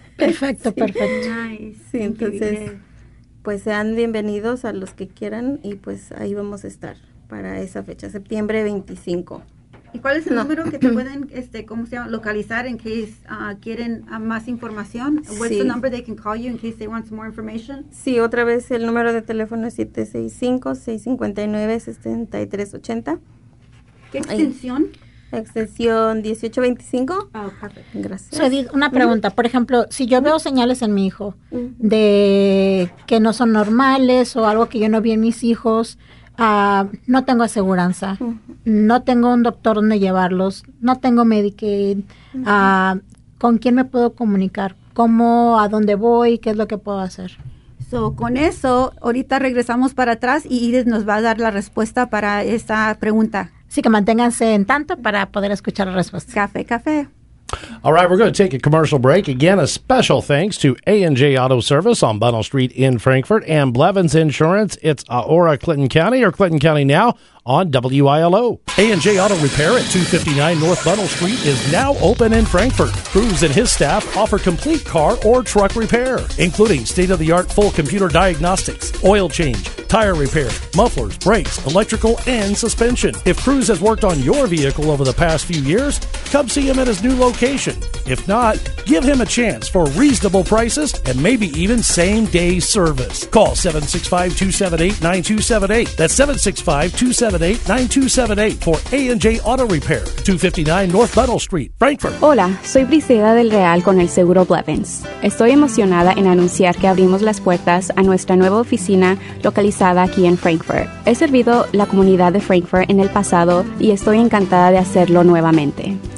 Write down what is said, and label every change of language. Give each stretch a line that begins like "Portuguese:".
Spanish: Perfecto, perfecto.
English: Nice.
Spanish: Sí, entonces... Pues sean bienvenidos a los que quieran y pues ahí vamos a estar para esa fecha, septiembre 25. ¿Y cuál es el número que te pueden, este, cómo se llama, localizar en case quieren más información?
English: What's the number they can call you in case they want some more information?
Spanish: Sí, otra vez el número de teléfono es 765-659-7380. ¿Qué extensión? Extensión 1825. Oh, perfecto. Gracias. So, Edith, una pregunta. Por ejemplo, si yo veo señales en mi hijo de que no son normales o algo que yo no vi en mis hijos, no tengo aseguranza, no tengo un doctor donde llevarlos, no tengo Medicaid, ¿con quién me puedo comunicar? ¿Cómo, a dónde voy? ¿Qué es lo que puedo hacer? So, con eso, ahorita regresamos para atrás y Edith nos va a dar la respuesta para esa pregunta. Así que manténganse en tanto para poder escuchar la respuesta. Café, café.
English: All right, we're going to take a commercial break. Again, a special thanks to A&J Auto Service on Bunnell Street in Frankfort and Blevins Insurance. It's Aurora Clinton County or Clinton County Now on WILO. A&J Auto Repair at 259 North Bunnell Street is now open in Frankfort. Cruz and his staff offer complete car or truck repair, including state-of-the-art full computer diagnostics, oil change, tire repair, mufflers, brakes, electrical, and suspension. If Cruz has worked on your vehicle over the past few years, come see him at his new location. If not, give him a chance for reasonable prices and maybe even same-day service. Call 765-278-9278. That's 765-278-9278 for A&J Auto Repair, 259 North Bunnell Street, Frankfort.
Spanish: Hola, soy Briseida del Real con el Seguro Blevins. Estoy emocionada en anunciar que abrimos las puertas a nuestra nueva oficina localizada aquí en Frankfort. He servido la comunidad de Frankfort en el pasado y estoy encantada de hacerlo nuevamente.